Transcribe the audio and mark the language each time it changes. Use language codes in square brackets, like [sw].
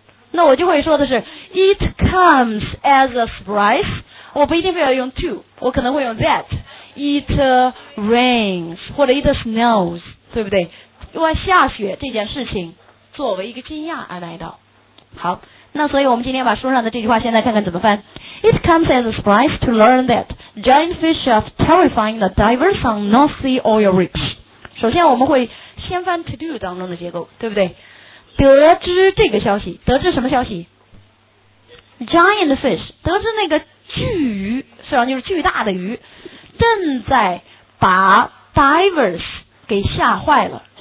[zh] 那我就会说的是 [en] It comes as a surprise， [zh] 我不一定非要用 to， 我可能会用 [en] thatIt rains [zh] 或者 [en] it snows， [zh] 对不对？因为下雪这件事情作为一个惊讶而来到。好，那所以我们今天把书上的这句话现在看看怎么翻。 [en] It comes as a surprise to learn that giant fish are terrifying the divers on North Sea oil rigs。 [zh] 首先我们会先翻 to do 当中的结构，对不对？得知这个消息，得知什么消息？ [en] Giant fish， [zh] 得知那个巨鱼，实际上就是巨大的鱼正在把 divers 给吓坏了。